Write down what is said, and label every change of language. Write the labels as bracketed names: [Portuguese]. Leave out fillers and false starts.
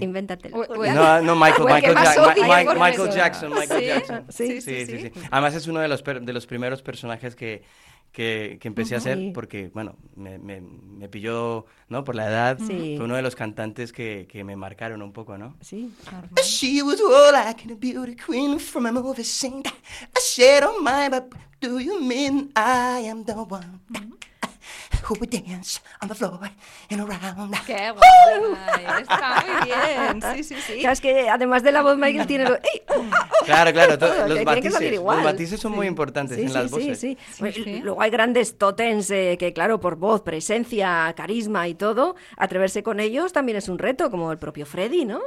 [Spanish] Invéntatelo. Michael Jackson. Sí. Además es uno de los primeros personajes que empecé a hacer porque, bueno, me pilló, ¿no? Por la edad. Sí. Fue uno de los cantantes que me marcaron un poco, ¿no? Sí. [English] She was all like a beauty queen from a movie scene. I said, oh my, but do you mean I am the one? Who would dance on the floor and around? [Spanish] ¡Qué guay! ¡Oh! Está muy bien. Sí. Claro, es que además de la voz, Michael tiene... Lo... ¡Ey! Claro. Los matices son muy importantes en las voces. Sí. Pues, luego hay grandes tótems que, claro, por voz, presencia, carisma y todo, atreverse con ellos también es un reto, como el propio Freddy, ¿no?